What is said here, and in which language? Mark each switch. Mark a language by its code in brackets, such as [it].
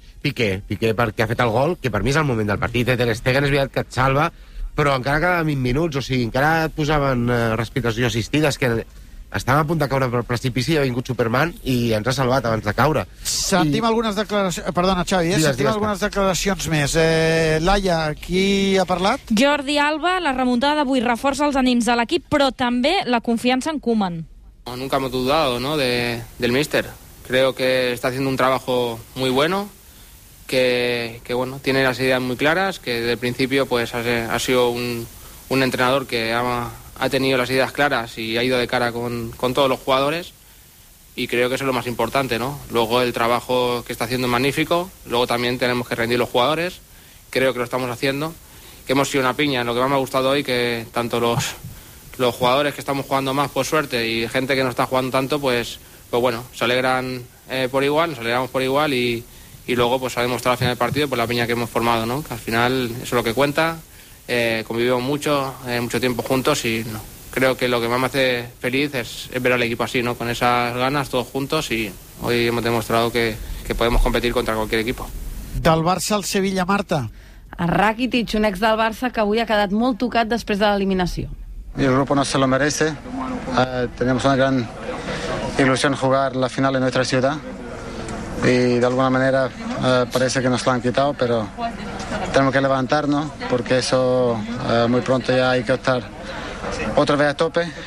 [ca] Piqué, perquè ha fet el gol, que per mi és el moment del partit. Ter Stegen és veritat que et salva, però encara quedava 20 minuts, o sigui, encara et posaven respiració assistida, és que estava a punt de caure pel precipici, ha vingut Superman i ens ha salvat abans de caure. Sentim algunes declaracions... Perdona, Xavi, sentim algunes declaracions més. Laia, qui ha parlat? Jordi Alba, la remuntada d'avui reforça els ànims de l'equip, però també la confiança en Koeman. [es] Nunca hemos dudado, ¿no?, del míster. Creo que está haciendo un trabajo muy bueno, que bueno, tiene las ideas muy claras, que desde el principio pues ha sido un entrenador que ha tenido las ideas claras y ha ido de cara con todos los jugadores, y creo que eso es lo más importante, ¿no? Luego el trabajo que está haciendo es magnífico, luego también tenemos que rendir los jugadores, creo que lo estamos haciendo, que hemos sido una piña. Lo que más me ha gustado hoy, que tanto los jugadores que estamos jugando más por suerte y gente que no está jugando tanto, pues bueno, se alegran por igual, nos alegramos por igual, y luego pues ha demostrado al final del partido pues la piña que hemos formado, ¿no? Que al final eso es lo que cuenta. Convivimos mucho tiempo juntos, y no, creo que lo que más me hace feliz es ver al equipo así, ¿no?, con esas ganas, todos juntos, y hoy hemos demostrado que podemos competir contra cualquier equipo. [ca] Del Barça al Sevilla, Marta. Rakitic, un ex del Barça que avui ha quedat molt tocat després de l'eliminació. [es] El grupo no se lo merece. Tenemos una gran ilusión jugar la final en nuestra ciudad, y de alguna manera parece que nos lo han quitado, pero tenemos que levantarnos, porque eso muy pronto ya hay que estar otra vez a tope.